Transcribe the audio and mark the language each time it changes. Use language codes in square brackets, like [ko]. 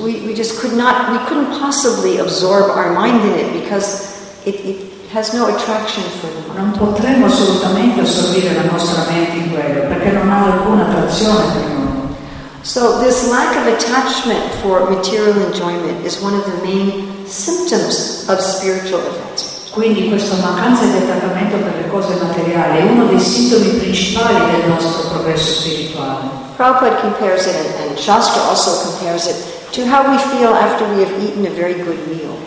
[en] We just couldn't possibly absorb our mind in it because it has no attraction for the mind. [it] Non potremmo assolutamente assorbire la nostra mente in quello perché non ha alcuna attrazione per noi. [en] So this lack of attachment for material enjoyment is one of the main symptoms of spiritual effects. [it] Quindi questa mancanza di attaccamento per le cose materiali è uno dei sintomi principali del nostro progresso spirituale. [en] Prabhupada compares it, and Shastra also compares it, to how we feel after we have eaten a very good meal.